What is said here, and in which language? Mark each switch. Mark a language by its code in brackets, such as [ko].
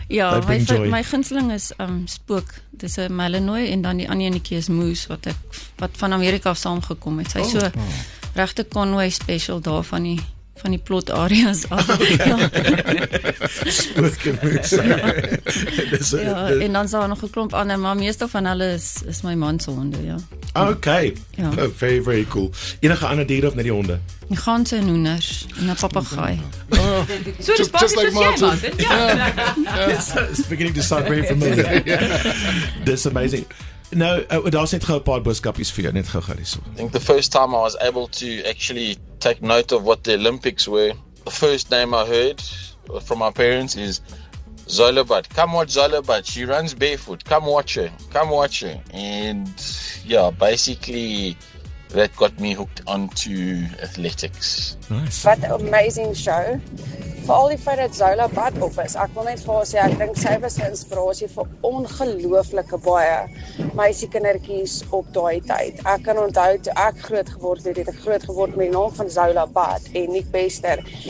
[af] Ja, my gunsteling is Spook. Dis 'n Malinois en dan die ander netjie is Moose wat van Amerika af saamgekom het. Sy so regte Conway special daar van die plot areas af. Spook en Moose. Ja, en dan sal nog 'n klomp ander, maar meeste van hulle is my man se honde, ja. [en] Okay. [af] Ja. [en] Oh, very, very cool. [af] Enige ander diere of net die honde? Die ganse en hoenders en 'n papegaai. So dis pas [en] like Martin. Yeah. It's beginning to sound very familiar. Yeah. This amazing. [af] Nou, daar's net gou 'n paar boodskapies vir jou, net gou hierso. [en] I think the first time I was able to actually take note of what the Olympics were, the first name I heard from my parents is Zola Bad. Come watch Zola Bad. She runs barefoot. Come watch her. And yeah, basically that got me hooked onto athletics. Nice. What an amazing show. [af] For all die feit dat Zola Bad op is, ek wil net vir haar sê, ek dink sy was 'n inspirasie vir ongelooflike baie meisiekindertjies op daai tyd. Ek kan onthou toe ek groot geword het, met die naam van Zola Bad en Nick Bester.